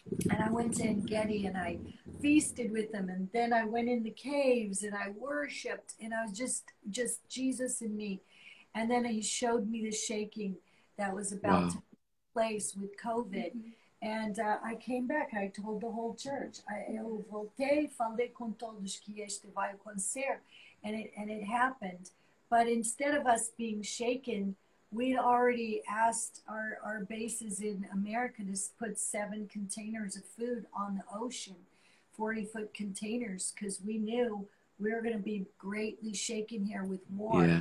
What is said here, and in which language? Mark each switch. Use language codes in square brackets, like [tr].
[en] And I went to En Gedi and I feasted with him. And then I went in the caves and I worshiped and I was just Jesus and me. And then he showed me the shaking that was about to take place with COVID. Mm-hmm. And I came back. I told the whole church. [pt] Eu voltei, falei com todos que este vai acontecer. [en] And it happened. But instead of us being shaken, we'd already asked our bases in America to put 7 containers of food on the ocean, 40-foot containers, because we knew we were going to be greatly shaken here with war.